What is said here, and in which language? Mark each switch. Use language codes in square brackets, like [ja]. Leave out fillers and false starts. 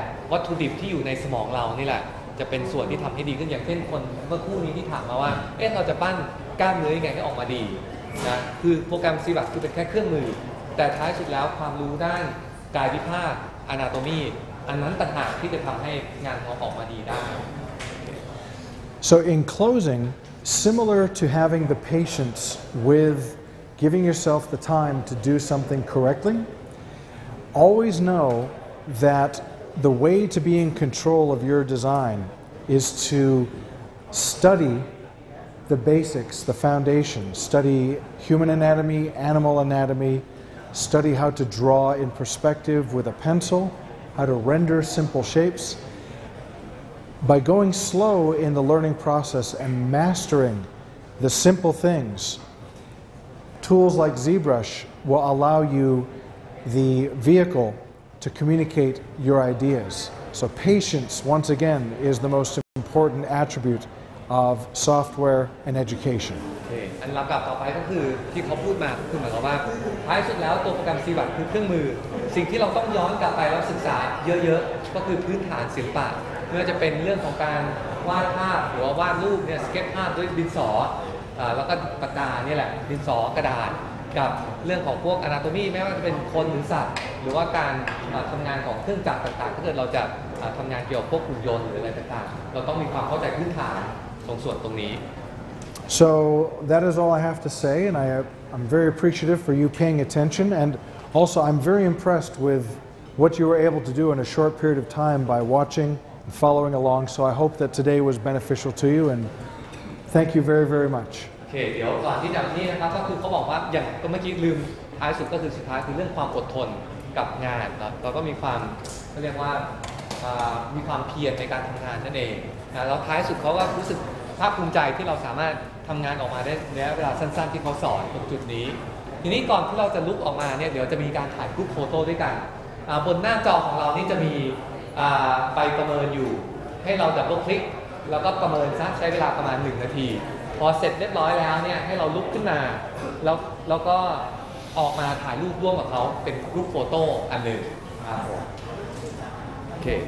[en] But the material that is in our brain is the one that makes us better. For example, the person who asked me earlier, how are we going to make our brain [th] กล้ามเนื้อยังไงให้ออกมาดีนะคือโปรแกรมซีบัตคือเป็นแค่เครื่องมือแต่ท้ายสุดแล้วความรู้ด้านกายวิภาคอนาโตมีอันนั้นต่างหากที่จะทำให้งานของเราออกมาดีได้ [en] So in closing, similar to having the patience with giving yourself the time to do something correctly, always know that the way to be in control of your design is to study the basics, the foundation, study human anatomy, animal anatomy, study how to draw in perspective with a pencil, how to render simple shapes. By going slow in the learning process and mastering the simple things, tools like ZBrush will allow you the vehicle to communicate your ideas. So patience, once again, is the most important attribute of software and education. Okay. [th] อันลำดับต่อไปก็คือที่เขาพูดมาคือหมายความว่าท้ายสุดแล้วตัวโปรแกรม ZBrush คือเครื่องมือสิ่งที่เราต้องย้อนกลับไปแล้วศึกษาเยอะๆก็คือพื้นฐานศิลปะเพื่อจะเป็นเรื่องของการวาดภาพหรือวาดรูปเนี่ยสเก็ตภาพด้วยดินสอแล้วก็ปากกาเนี่ยแหละดินสอกระดาษกับเรื่องของพวกอนาโตมีไม่ว่าจะเป็นคนหรือสัตว์หรือว่าการทำงานของเครื่องจักรต่างๆถ้าเกิดเราจะทำงานเกี่ยวกับพวกหุ่นยนต์หรืออะไรต่างๆเราต้องมีความเข้าใจพื้นฐานตรงส่วนตรงนี้ [en] So that is all I have to say and I'm very appreciative for you paying attention and also I'm very impressed with what you were able to do in a short period of time by watching and following along so I hope that today was beneficial to you and thank you very very much. [th] โอเคเดี๋ยวก่อนที่จะนี่นะครับก็คือเขาบอกว่าอย่างก็เมื่อกี้ลืมท้ายสุดก็คือสุดท้ายคือเรื่องความอดทนกับงานเราก็มีความเขาเรียกว่า มีความเพียรในการทำงานนั่นเองนะแล้วท้ายสุดเขาก็รู้สึกภาคภูมิใจที่เราสามารถทำงานออกมาได้ในเวลาสั้นๆที่เขาสอนตรงจุดนี้ทีนี้ก่อนที่เราจะลุกออกมาเนี่ยเดี๋ยวจะมีการถ่ายรูปโฟโต้ด้วยกันบนหน้าจอของเรานี่จะมีใบประเมินอยู่ให้เราดับเบิลคลิกแล้วก็ประเมินซะใช้เวลาประมาณ1นาทีพอเสร็จเรียบร้อยแล้วเนี่ยให้เราลุกขึ้นมาแล้วก็ออกมาถ่ายรูปร่วมกับเขาเป็นรูปโฟโต้อันหนึ่งโอเค